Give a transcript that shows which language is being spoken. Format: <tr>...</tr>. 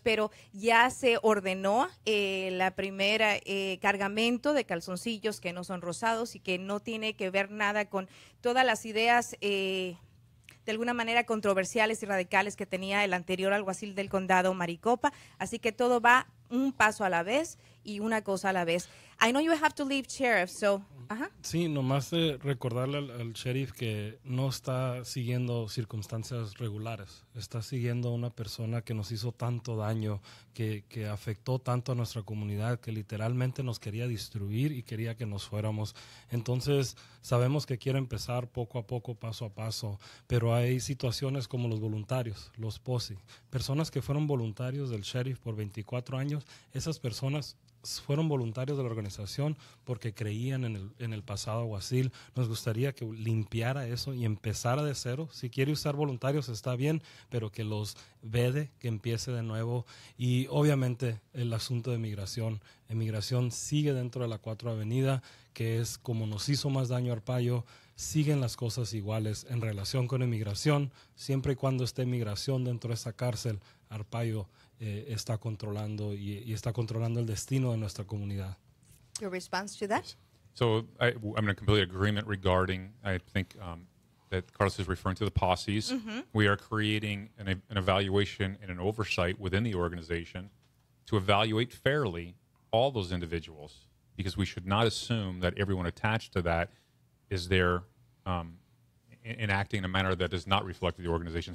<es>Pero ya se ordenó la primera era cargamento de calzoncillos que no son rosados y que no tiene que ver nada con todas las ideas de alguna manera controversiales y radicales que tenía el anterior alguacil del condado Maricopa. Así que todo va un paso a la vez y una cosa a la vez.</es> <en>I know you have to leave, sheriff, so</en> <es>Sí, nomás recordarle al sheriff que no está siguiendo circunstancias regulares. Está siguiendo a una persona que nos hizo tanto daño, que afectó tanto a nuestra comunidad, que literalmente nos quería destruir y quería que nos fuéramos. Entonces, sabemos que quiere empezar poco a poco, paso a paso, pero hay situaciones como los voluntarios, los POSI, personas que fueron voluntarios del sheriff por 24 años, esas personas fueron voluntarios de la organización porque creían en el pasado alguacil. Nos gustaría que limpiara eso y empezara de cero. Si quiere usar voluntarios, está bien, pero que los vede, que empiece de nuevo. Y obviamente el asunto de migración. Emigración sigue dentro de la 4 Avenida, que es como nos hizo más daño Arpaio. Siguen las cosas iguales en relación con emigración. Siempre y cuando esté emigración dentro de esa cárcel, Arpaio está controlando y está controlando el destino de nuestra comunidad.</es> <en>Your response to that? So I'm in a complete agreement regarding, I think that Carlos is referring to the posses. Mm-hmm. We are creating an evaluation and an oversight within the organization to evaluate fairly all those individuals, because we should not assume that everyone attached to that is there in acting in a manner that does not reflect the organization.</en>